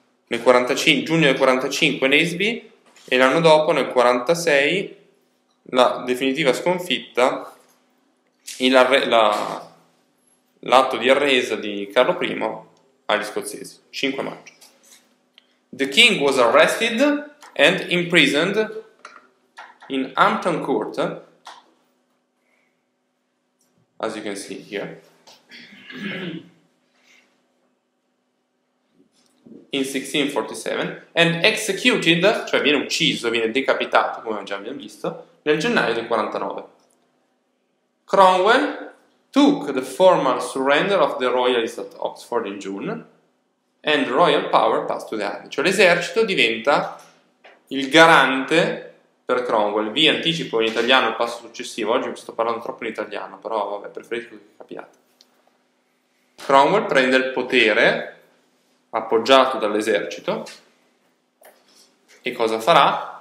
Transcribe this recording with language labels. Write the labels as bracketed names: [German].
[Italian] Nel 45, giugno del 45 Naseby, e l'anno dopo nel 46 la definitiva sconfitta, l'atto di arresa di Carlo I agli scozzesi, 5 maggio. [English] The king was arrested and imprisoned in Hampton Court, as you can see here. In 1647, and executed, [Italian] cioè viene ucciso, viene decapitato, come già abbiamo visto, nel gennaio del 49. [English] Cromwell took the formal surrender of the royalists at Oxford in June, and royal power passed to the army. [Italian] Cioè l'esercito diventa il garante per Cromwell. Vi anticipo in italiano il passo successivo, oggi sto parlando troppo in italiano, però vabbè, preferisco che capiate. Cromwell prende il potere appoggiato dall'esercito, e cosa farà?